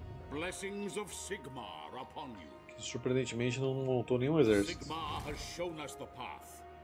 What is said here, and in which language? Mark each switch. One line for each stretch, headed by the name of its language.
English: Blessings of Sigmar upon you.
Portuguese: Que surpreendentemente não montou nenhum exército.
English: Sigmar has shown us the path.